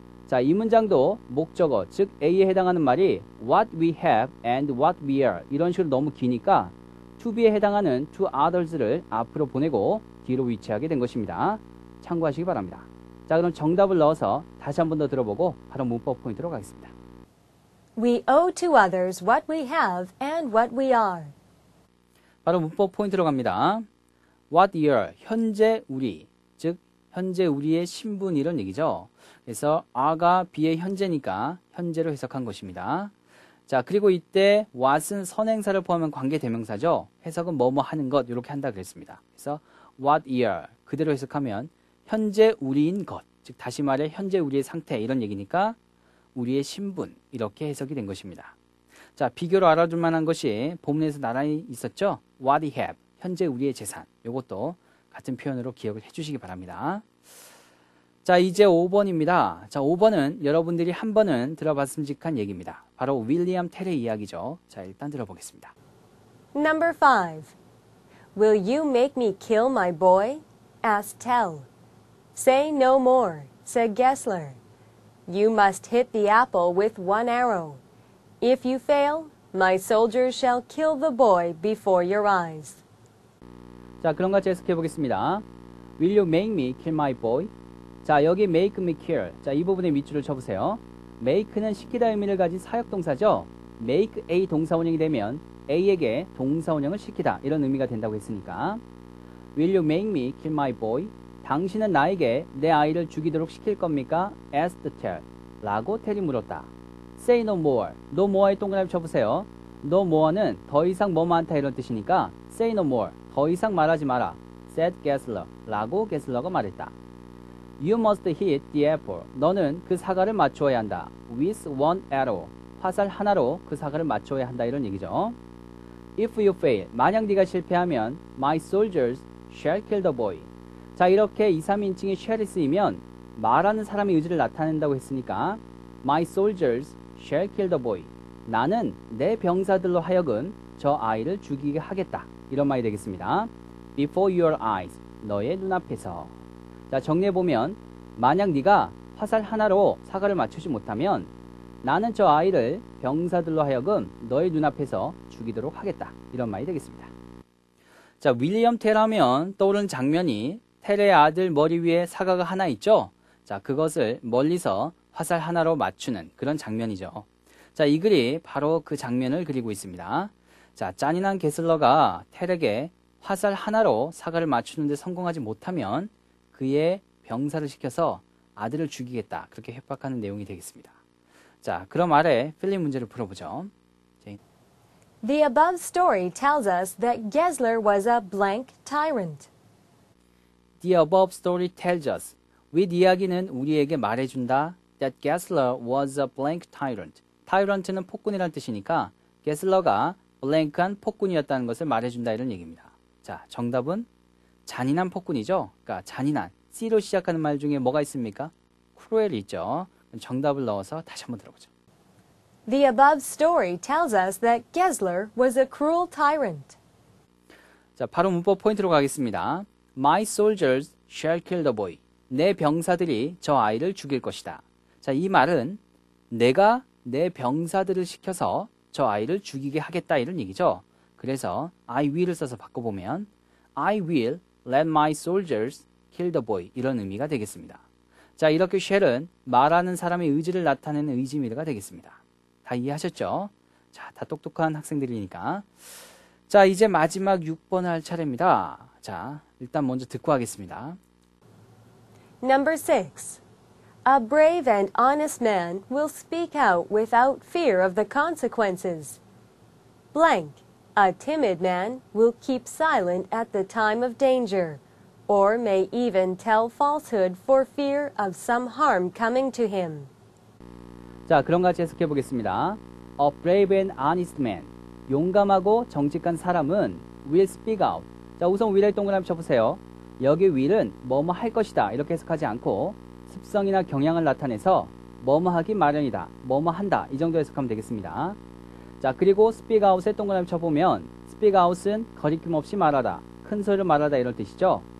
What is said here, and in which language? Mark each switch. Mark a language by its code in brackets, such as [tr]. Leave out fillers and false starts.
[ko] 자, 이 문장도 목적어, 즉 A에 해당하는 말이 [en] what we have and what we are [ko] 이런 식으로 너무 기니까 to be에 해당하는 to others를 앞으로 보내고 뒤로 위치하게 된 것입니다. 참고하시기 바랍니다. 자, 그럼 정답을 넣어서 다시 한 번 더 들어보고 바로 문법 포인트로 가겠습니다. [en] We owe to others what we have and what we are. [ko] 바로 문법 포인트로 갑니다. [en] What we are, [ko] 현재 우리, 즉 현재 우리의 신분 이런 얘기죠. 그래서 are가 be의 현재니까 현재로 해석한 것입니다. 자, 그리고 이때 what은 선행사를 포함한 관계 대명사죠. 해석은 뭐뭐 하는 것 이렇게 한다 그랬습니다. 그래서 what are 그대로 해석하면 현재 우리인 것, 즉 다시 말해 현재 우리의 상태 이런 얘기니까 우리의 신분 이렇게 해석이 된 것입니다. 자, 비교로 알아둘 만한 것이 본문에서 나란히 있었죠. [en] what he have, [ko] 현재 우리의 재산, 이것도 같은 표현으로 기억을 해주시기 바랍니다. 자, 이제 5번입니다. 자, 5번은 여러분들이 한 번은 들어봤음직한 얘기입니다. 바로 윌리엄 텔의 이야기죠. 자, 일단 들어보겠습니다. [en] Number 5. Will you make me kill my boy? Asked Tell. Say no more, said Gessler. You must hit the apple with one arrow. If you fail, my soldiers shall kill the boy before your eyes. [ko] 자, 그런 것 해석해 보겠습니다. [en] Will you make me kill my boy? [ko] 자, 여기 [en] make me kill. [ko] 자, 이 부분에 밑줄을 쳐보세요. make는 시키다 의미를 가진 사역동사죠. make A 동사원형이 되면 A에게 동사원형을 시키다 이런 의미가 된다고 했으니까 [en] Will you make me kill my boy? [ko] 당신은 나에게 내 아이를 죽이도록 시킬 겁니까? [en] Asked Tell. [ko] 라고 텔이 물었다. [en] Say no more. [ko] no more의 동그라미 쳐보세요. No more는 더 이상 뭐뭐 않다 이런 뜻이니까 [en] say no more, [ko] 더 이상 말하지 마라, [en] said Gessler, [ko] 라고 Gessler가 말했다. [en] You must hit the apple. [ko] 너는 그 사과를 맞춰야 한다. [en] With one arrow. [ko] 화살 하나로 그 사과를 맞춰야 한다. 이런 얘기죠. [en] If you fail. [ko] 만약 네가 실패하면 [en] My soldiers shall kill the boy. [ko] 자, 이렇게 2, 3인칭이 shall이 쓰이면 말하는 사람의 의지를 나타낸다고 했으니까 [en] My soldiers shall kill the boy. [ko] 나는 내 병사들로 하여금 저 아이를 죽이게 하겠다. 이런 말이 되겠습니다. [en] Before your eyes. [ko] 너의 눈앞에서. 자, 정리해보면 만약 네가 화살 하나로 사과를 맞추지 못하면 나는 저 아이를 병사들로 하여금 너의 눈앞에서 죽이도록 하겠다. 이런 말이 되겠습니다. 자, 윌리엄 텔 하면 떠오르는 장면이 텔의 아들 머리 위에 사과가 하나 있죠? 자, 그것을 멀리서 화살 하나로 맞추는 그런 장면이죠. 자, 이 글이 바로 그 장면을 그리고 있습니다. 자, 잔인한 게슬러가 텔에게 화살 하나로 사과를 맞추는데 성공하지 못하면 그의 병사를 시켜서 아들을 죽이겠다. 그렇게 협박하는 내용이 되겠습니다. 자, 그럼 아래 필립 문제를 풀어보죠. [en] The above story tells us that Gessler was a blank tyrant. The above story tells us. [ko] With 이야기는 우리에게 말해준다. [en] That Gessler was a blank tyrant. [ko] Tyrant는 폭군이란 뜻이니까 Gessler가 blank한 폭군이었다는 것을 말해준다. 이런 얘기입니다. 자, 정답은? 잔인한 폭군이죠. 그러니까 잔인한 C로 시작하는 말 중에 뭐가 있습니까? Cruel 있죠. 정답을 넣어서 다시 한번 들어보죠. [en] The above story tells us that Gessler was a cruel tyrant. [ko] 자, 바로 문법 포인트로 가겠습니다. [en] My soldiers shall kill the boy. [ko] 내 병사들이 저 아이를 죽일 것이다. 자, 이 말은 내가 내 병사들을 시켜서 저 아이를 죽이게 하겠다 이런 얘기죠. [en] 그래서 I will을 써서 바꿔보면 I will let my soldiers kill the boy. [ko] 이런 의미가 되겠습니다. 자, 이렇게 shall은 말하는 사람의 의지를 나타내는 의지미가 되겠습니다. 다 이해하셨죠? 자, 다 똑똑한 학생들이니까. 자, 이제 마지막 6번 할 차례입니다. 자, 일단 먼저 듣고 하겠습니다. [en] Number 6. A brave and honest man will speak out without fear of the consequences. Blank. A timid man will keep silent at the time of danger, or may even tell falsehood for fear of some harm coming to him. [ko] 자, 그런 것 같이 해석해 보겠습니다. [en] A brave and honest man, [ko] 용감하고 정직한 사람은 [en] will speak out. [ko] 자, 우선 will을 동그라미 쳐보세요. 여기 will은 뭐뭐 할 것이다 이렇게 해석하지 않고 습성이나 경향을 나타내서 뭐뭐 하기 마련이다, 뭐뭐 한다 이 정도 해석하면 되겠습니다. 자, 그리고 speak out의 동그라미 쳐보면 speak out은 거리낌 없이 말하다, 큰 소리를 말하다 이런 뜻이죠.